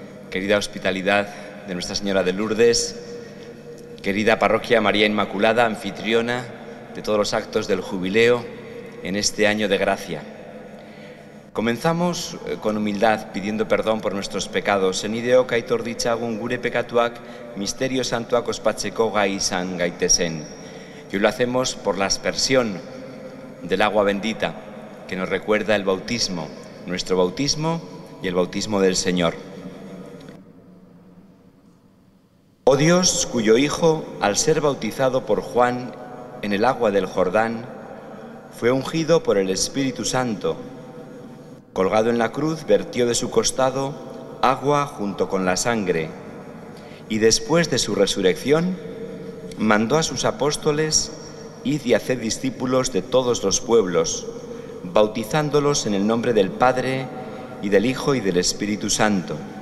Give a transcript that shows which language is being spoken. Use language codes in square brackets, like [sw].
[es] Querida hospitalidad de Nuestra Señora de Lourdes, querida parroquia María Inmaculada, anfitriona de todos los actos del jubileo en este año de gracia. Comenzamos con humildad pidiendo perdón por nuestros pecados. [eu] En ideo caitor ditzagun gure pekatuak misterio santuak ospatzeko gai izan gaitezen. [es] Y lo hacemos por la aspersión del agua bendita que nos recuerda el bautismo, nuestro bautismo y el bautismo del Señor. Oh Dios, cuyo Hijo, al ser bautizado por Juan en el agua del Jordán, fue ungido por el Espíritu Santo, colgado en la cruz, vertió de su costado agua junto con la sangre, y después de su resurrección, mandó a sus apóstoles: id y haced discípulos de todos los pueblos, bautizándolos en el nombre del Padre, y del Hijo, y del Espíritu Santo.